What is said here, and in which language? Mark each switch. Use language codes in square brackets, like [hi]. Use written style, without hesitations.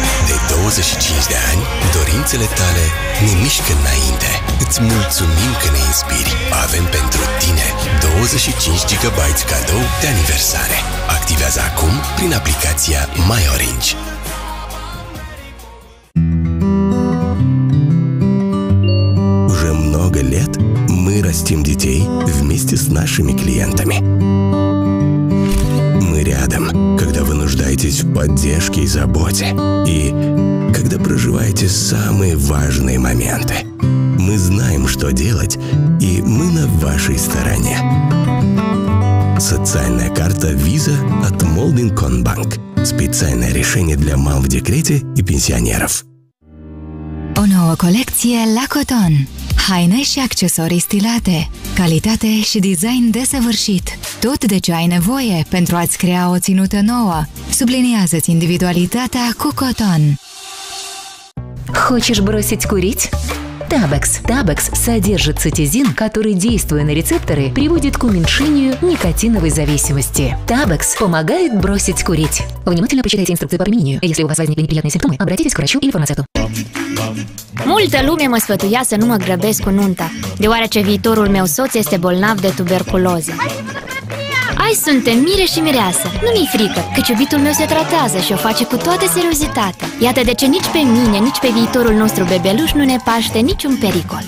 [ro] De 25 de ani, dorințele tale ne mișcă înainte. Îți mulțumim că ne inspiri. Avem pentru tine 25 GB cadou de aniversare. Activează acum prin aplicația MyOrange. [ru] Уже много лет мы растим детей вместе с нашими клиентами. Мы рядом, когда вы нуждаетесь в поддержке и заботе. И когда проживаете самые важные моменты. Мы знаем, что делать, и мы на вашей стороне. Социальная карта Visa от Moldinconbank. Специальное решение для мам в декрете и пенсионеров. [ro] O nouă colecție La Coton. Haine și accesorii stilate. Calitate și design desăvârșit. Tot de ce ai nevoie pentru a-ți crea o ținută nouă. Subliniază-ți individualitatea cu Coton. [ru] Хочешь бросить курить? Табекс. Табекс содержит цитизин, который, действуя на рецепторы, приводит к уменьшению никотиновой зависимости. Табекс помогает бросить курить. Внимательно прочитайте инструкции по применению. Если у вас возникли неприятные симптомы, обратитесь к врачу или фармацевту. [ro] Multă lume mă sfătuia să nu mă grăbesc cu nunta, deoarece viitorul meu soț este bolnav de tuberculoză. Ai, suntem mire și mireasă. Nu mi-e frică, căci iubitul meu se tratează și o face cu toată seriozitatea. Iată de ce nici pe mine, nici pe viitorul nostru bebeluș nu ne paște niciun pericol.